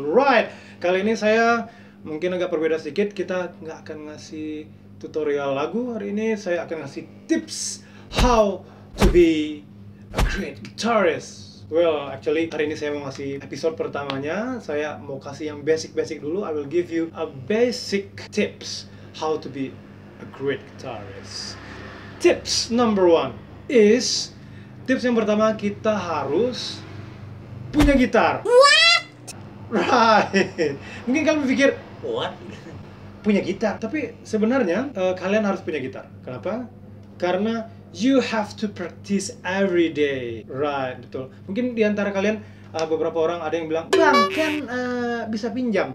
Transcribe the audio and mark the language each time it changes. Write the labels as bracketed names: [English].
[Indonesian] Right, kali ini saya mungkin agak berbeda sedikit. Kita nggak akan ngasih tutorial lagu hari ini. Saya akan ngasih tips [English] how to be a great guitarist. Well, actually [Indonesian] hari ini saya mau ngasih episode pertamanya. Saya mau kasih yang basic-basic dulu. [English] I will give you a basic tips how to be a great guitarist. Tips number one is, [Indonesian] tips yang pertama, kita harus punya gitar. [English] What? [Indonesian] Right. Mungkin kalian berpikir, [English] what? [Indonesian] Punya gitar. Tapi sebenarnya kalian harus punya gitar. Kenapa? Karena [English] you have to practice every day. Right, [Indonesian] betul. Mungkin di antara kalian beberapa orang ada yang bilang, bang, kan bisa pinjam.